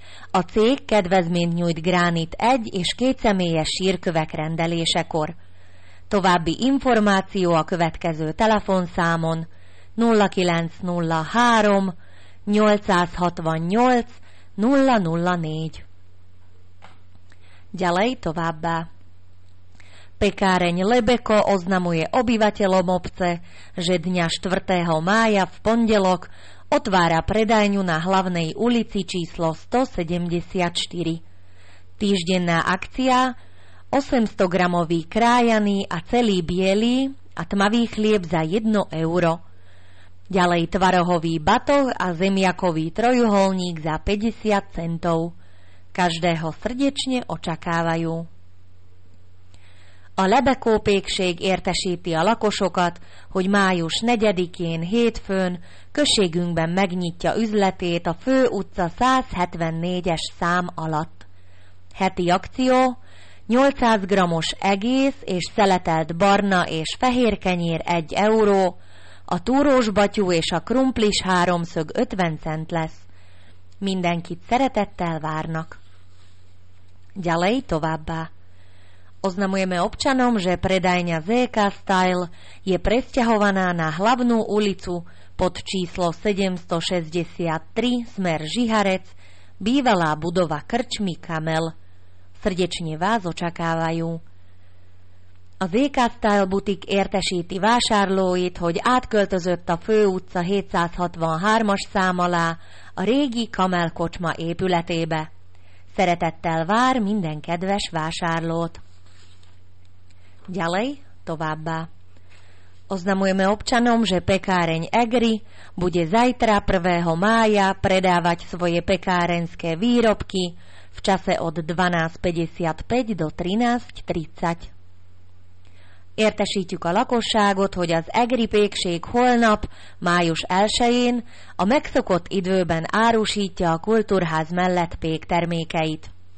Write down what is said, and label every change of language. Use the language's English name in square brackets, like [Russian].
[Hungarian] A cég kedvezményt nyújt Gránit 1 és 2 személyes sírkövek rendelésekor. További információ a következő telefonszámon 0903 868 004. [Slovak] Ďalej [Hungarian] továbbá. [Slovak] Pekáreň Lebeko oznamuje obyvateľom obce, že dňa 4. mája v pondelok otvára predajňu na hlavnej ulici číslo 174. Týždenná akcia 800-gramový krájaný a celý bielý a tmavý chlieb za 1 euro. Ďalej tvarohový batoh a zemiakový trojuholník za 50 centov. Každého srdečne očakávajú. [Hungarian] A Lebekópékség értesíti a lakosokat, hogy május 4-én, hétfőn, községünkben megnyitja üzletét a fő utca 174-es szám alatt. Heti akció 800 g-os egész és szeletelt barna és fehér kenyér 1 euró, a túrós batyú és a krumplis háromszög 50 cent lesz. Mindenkit szeretettel várnak. [Slovak] Ďalej [Hungarian] továbbá. [Slovak] Oznamujeme občanom, že predajňa ZK Style je presťahovaná na hlavnú ulicu pod číslo 763 smer Žiharec, bývalá budova krčmy Kamel. Srdečne vás očakávajú. [Hungarian] A ZK Style butik értesíti vásárlóit, hogy átköltözött a fő utca 763-as szám alá a régi Kamel kocsma épületébe. Szeretettel vár minden kedves vásárlót. [Slovak] Ďalej [Hungarian] továbbá. [Slovak] Oznamujeme občanom, že pekáreň Egri bude zajtra 1. mája predávať svoje pekárenské výrobky v čase od 12.55 do 13.30. [Hungarian] Értesítjük a lakosságot, hogy az Egri pékség holnap, május 1-én a megszokott időben árusítja a kultúrház mellett péktermékeit.